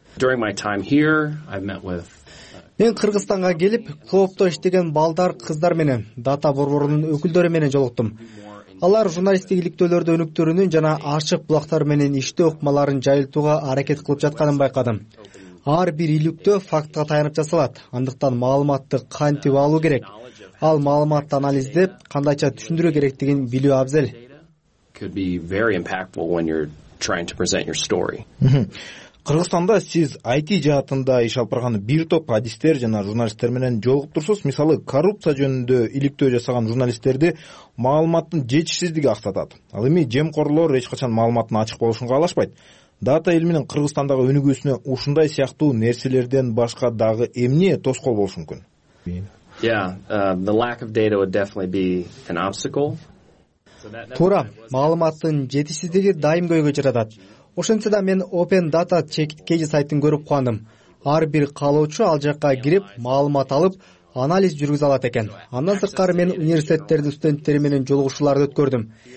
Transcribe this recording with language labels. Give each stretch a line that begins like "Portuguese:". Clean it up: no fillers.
English: During my time here, I've met with
Kyrgyz: Мен Кыргызстанга келип, клубто иштеген балдар, кыздар менен дата борборунун өкүлдөрү менен жолуктум. Алар журналистик иликтөөлөрдө өнүктөрүнүн жана ашык булактар менен иштөө ыкмаларын жайылтууга аракет кылып жатканын байкадым. Ар бир иликтөө фактка таянып жасалат. Андыктан маалыматты кантип алуу керек? Ал маалыматты анализдеп, кандайча түшүндүрүү керектигин билүү абзел.
English: Could be very impactful when you're trying to present your story.
Kyrgyz: Кыргызстанда сиз IT жаатында иш алып барган бир топ адистер жана журналисттер менен жолугуп турсуз. Мисалы, коррупция жөнүндө иликтөө жасаган журналисттерди маалыматтын жетишсиздиги актатат. Ал эми жемкорлор эч качан маалыматтын ачык болушун каалашпайт. Дата илиминин Кыргызстандагы өнүгүүсүнө ушундай сыяктуу нерселерден башка дагы эмне тоскоол болушу мүмкүн?
English: The lack of data would definitely be an obstacle.
Kyrgyz: Туура, маалыматтын жетишсиздиги дайым көйгөй жаратат. Ошентсе да мен Open Data Check сайтын көрүп куандым. Ар бир каалоочу ал жакка кирип, маалымат алып, анализ жүргүзө алат экен. Андан сырткары мен университеттердин студенттери менен жолугушууларды өткөрдүм.